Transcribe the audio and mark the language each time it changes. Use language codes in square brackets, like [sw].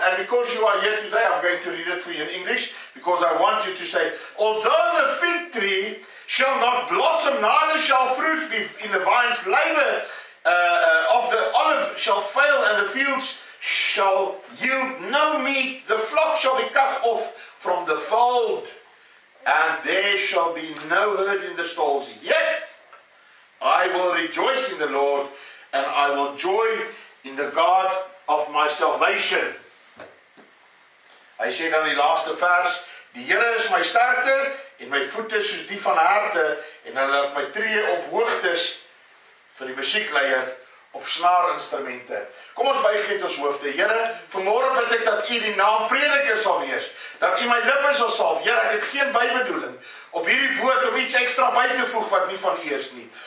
[en] And because you are here today, I'm going to read it for you in English, because I want you to say, although the fig tree shall not blossom, neither shall fruits be in the vines, labor of the olive shall fail, and the fields shall yield no meat, the flock shall be cut off from the fold, and there shall be no herd in the stalls. Yet I will rejoice in the Lord, and I will joy in the God of my salvation. [af] Hy sê dan die laaste vers, die Here is my sterkte en my voete soos die van harte, en hy laat my tree op hoogtes vir die musiekleier op snaarinstrumente. Kom ons buig net ons hoofde. Here, vanmôre bid ek dat U die naam prediker sal wees, dat U my lippe sal salf. Here, ek het geen bybedoeling op hierdie woord om iets ekstra by te voeg wat nie van U is nie.